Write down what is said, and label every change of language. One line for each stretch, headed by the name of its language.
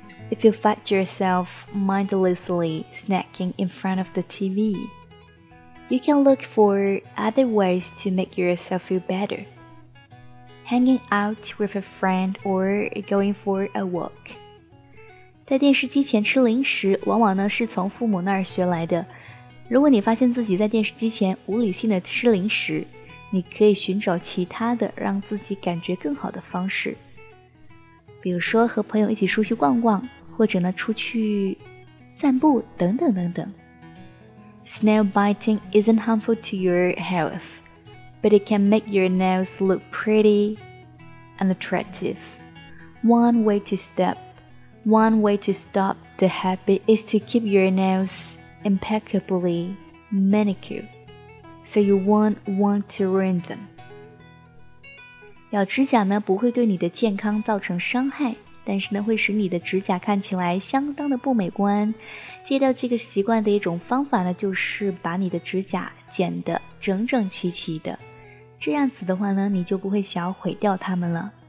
English: If you find yourself mindlessly snacking in front of the TV, you can look for other ways to make yourself feel better. Hanging out with a friend or going for a walk.
Chinese: 在电视机前吃零食往往呢是从父母那儿学来的。如果你发现自己在电视机前无理性的吃零食，你可以寻找其他的让自己感觉更好的方式。比如说和朋友一起出去逛逛，或者呢出去散步等等等等。
English: Snail biting isn't harmful to your health. But it can make your nails look pretty and attractive. One way to stop the habit is to keep your nails impeccably manicured, so you won't want to ruin them.
Chinese: 咬指甲呢不会对你的健康造成伤害，但是呢会使你的指甲看起来相当的不美观。戒掉这个习惯的一种方法呢，就是把你的指甲剪得整整齐齐的。这样子的话呢，你就不会想要毁掉它们了。